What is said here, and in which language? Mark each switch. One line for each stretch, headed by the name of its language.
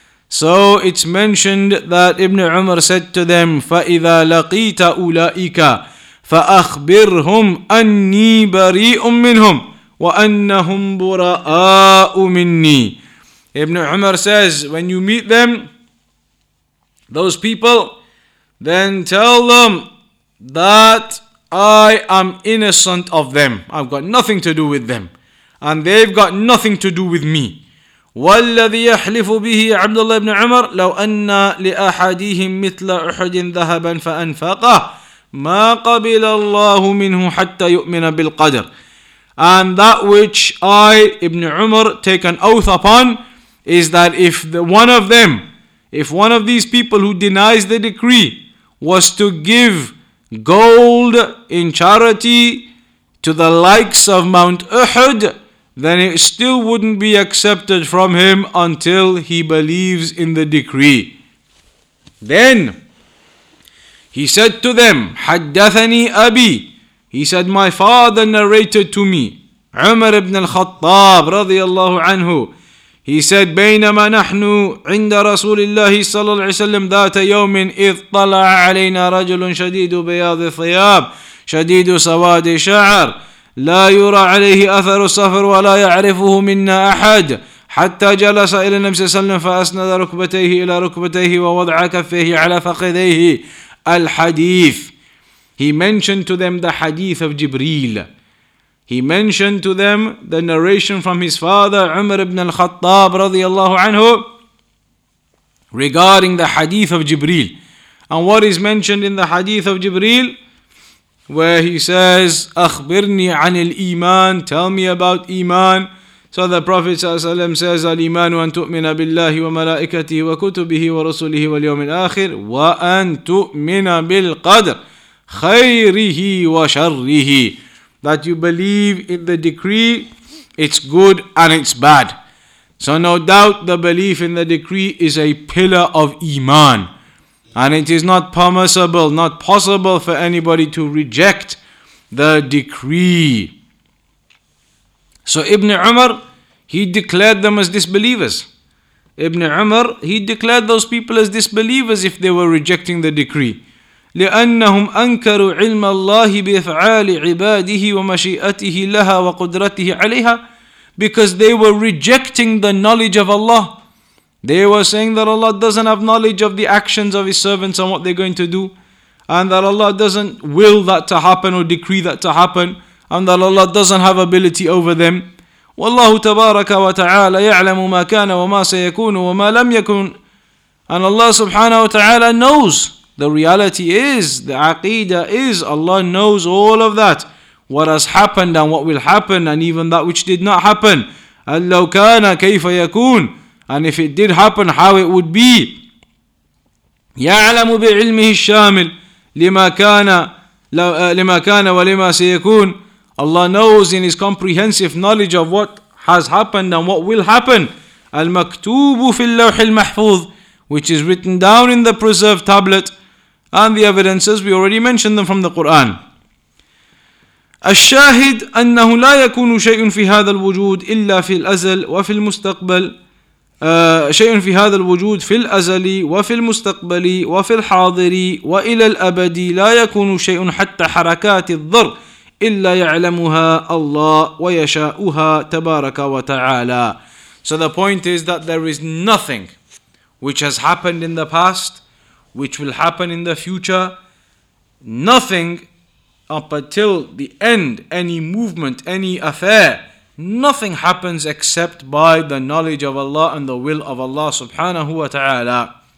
English: So it's mentioned that Ibn Umar said to them,
Arabic: فَإِذَا لَقِيتَ أُولَئِكَ فَأَخْبِرْهُمْ أَنِّي بَرِيءٌ مِّنْهُمْ وَأَنَّهُمْ بُرَآءُ مِنِّي.
English: Ibn Umar says, when you meet them, those people, then tell them that I am innocent of them. I've got nothing to do with them. And they've got nothing to do with me.
Arabic: والذي يحلف به عبد الله بن عمر لو أن لأحدهم مثل أحد ذهبا فأنفقه ما قبل الله منه حتى يؤمن بالقدر.
English: And that which I, Ibn Umar, take an oath upon is that if one of these people who denies the decree was to give gold in charity to the likes of Mount Uhud, then it still wouldn't be accepted from him until he believes in the decree. Then he said to them,
Arabic: حدثني أبي.
English: He said, my father narrated to me, عمر بن الخطاب
Arabic: رضي الله عنه.
English: He said,
Arabic: بينما نحن عند رسول الله صلى الله عليه وسلم ذات يوم إذ طلع علينا رجل شديد بياض ثياب شديد سواد شعر لا يرى عليه أثر السفر ولا يعرفه منا أحد حتى جلس إلى النبي صلى الله عليه وسلم فأسند ركبتيه إلى ركبتيه ووضع كفيه على فخذيه الحديث.
English: He mentioned to them the hadith of Jibreel. He mentioned to them the narration from his father Umar ibn al-Khattab
Arabic: رضي الله عنه
English: regarding the hadith of Jibreel. And what is mentioned in the hadith of Jibreel? Where he says,
Arabic: أخبرني عن الإيمان,
English: tell me about إيمان. So the Prophet ﷺ says,
Arabic: الإيمان أن تؤمن بالله وملائكته وكتبه ورسله واليوم الآخر وأن تؤمن بالقدر خيره وشره.
English: That you believe in the decree It's good and it's bad. So no doubt the belief in the decree is a pillar of Iman. And it is not permissible, not possible for anybody to reject the decree. So Ibn Umar, he declared them as disbelievers. Ibn Umar, he declared those people as disbelievers if they were rejecting the decree.
Arabic: لأنهم أنكروا علم الله بإفعال عباده ومشيئته لها وقدرته عليها.
English: Because they were rejecting the knowledge of Allah. They were saying that Allah doesn't have knowledge of the actions of His servants and what they're going to do. And that Allah doesn't will that to happen or decree that to happen. And that Allah doesn't have ability over them.
Arabic: وَاللَّهُ تَبَارَكَ وَتَعَالَى يَعْلَمُ مَا كَانَ وَمَا سَيَكُونُ وَمَا لَمْ يَكُونُ.
English: And Allah subhanahu wa ta'ala knows. The reality is, the aqeedah is, Allah knows all of that. What has happened and what will happen, and even that which did not happen.
Arabic: أَلَّوْ كَانَ كَيْفَ يَكُونَ.
English: And if it did happen, how it would be.
Arabic: يَعْلَمُ بِعِلْمِهِ الشَّامِلِ لِمَا كَانَ وَلِمَا سَيَكُونَ.
English: Allah knows in His comprehensive knowledge of what has happened and what will happen.
Arabic: الْمَكْتُوبُ فِي اللَّوْحِ الْمَحْفُوظِ.
English: Which is written down in the preserved tablet. And the evidences, we already mentioned them from the Quran.
Arabic: الشاهد أنه لا يكون شيء في هذا الوجود إلا في الأزل وفي المستقبل. شيء في هذا الوجود في الأزل وفي المستقبل وفي الحاضر وإلى الأبد لا يكون شيء حتى حركات الضر إلا يعلمها الله ويشاؤها تبارك وتعالى.
English: So the point is that there is nothing which has happened in the past, which will happen in the future. Nothing up until the end, any movement, any affair, nothing happens except by the knowledge of Allah and the will of Allah subhanahu wa ta'ala.